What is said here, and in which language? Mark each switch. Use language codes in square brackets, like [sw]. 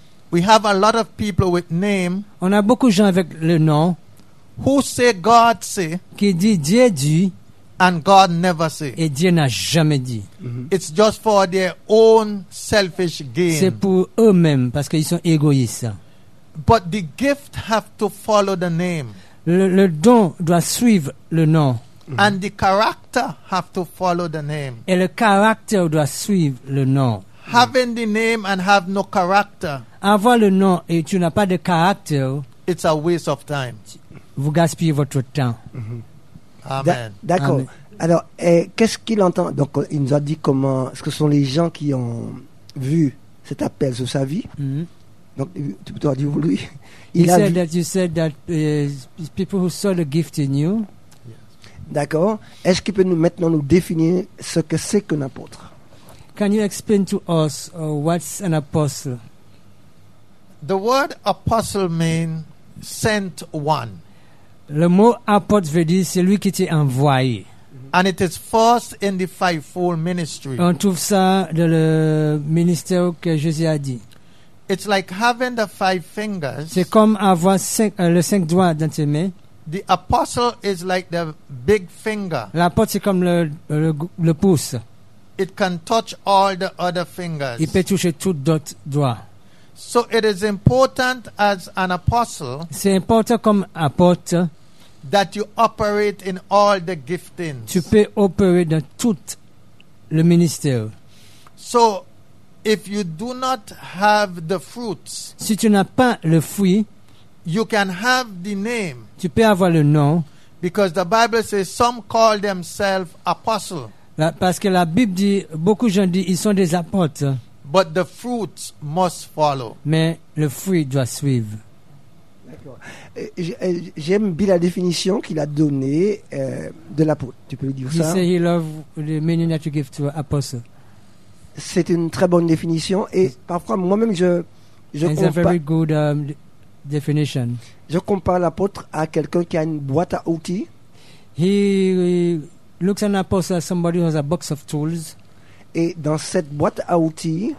[en] we have a lot of people with name, [fr] on a beaucoup de gens avec le nom, [en] who say God say, [fr] qui dit Dieu dit, [en] and God never say, [fr] et Dieu n'a jamais dit. [en] Mm-hmm. It's just for their own selfish gain. [fr] C'est pour eux-mêmes parce qu'ils sont égoïstes. [en] But the gift have to follow the name. [fr] Le don doit suivre le nom. Mm-hmm. [en] And the character have to follow the name. [fr] Et le caractère doit suivre le nom. [en] Having the name and have no character. [fr] Avoir le nom et tu n'as pas de caractère. [en] It's a waste of time. [fr] Vous gaspillez votre temps. [en] Mm-hmm. Amen. [fr] D'accord. Amen. Alors, qu'est-ce qu'il entend? Donc, il nous a dit comment. Ce sont les gens qui ont vu cet appel sur sa vie. Mm-hmm. Donc, tu as dit oui. [en] You said that people who saw the gift in you. [fr] D'accord. Est-ce qu'il peut nous maintenant nous définir ce que c'est qu'un apôtre? [en] Can you explain to us what's an apostle? The word apostle means sent one. [fr] Le mot apôtre veut dire celui qui t'est envoyé. [en] And it is first in the fivefold ministry. [fr] On trouve ça dans le ministère que Jésus a dit. [en] It's like having the five fingers. [fr] C'est comme avoir cinq doigts dans tes mains. [en] The apostle is like the big finger. [fr] L'apôtre c'est comme le pouce. [en] It can touch all the other fingers. [fr] Il peut toucher tous d'autres doigts. [en] So it is important as an apostle. [fr] C'est important comme apôtre. [en] That you operate in all the giftings. [fr] Tu peux opérer dans tout le ministère. [en] So, if you do not have the fruits, [fr] si tu n'as pas le fruit, [en] you can have the name. [fr] Tu peux avoir le nom. [en] Because the Bible says some call themselves apostles. [fr] Parce que la Bible dit, beaucoup de gens disent, ils sont des apôtres. [en] But the fruits must follow. [fr] Mais le fruit doit suivre. J'aime bien la définition qu'il a donnée de l'apôtre. Tu peux lui dire [en] he [fr] ça. [en] He said he loved the meaning that you give to apostle. [fr] C'est une très bonne définition et parfois moi-même je [en] compare. It's a very good definition. [fr] Je compare l'apôtre à quelqu'un qui a une boîte à outils. [en] He looks an apostle as somebody who has a box of tools. [fr] Et dans cette boîte à outils.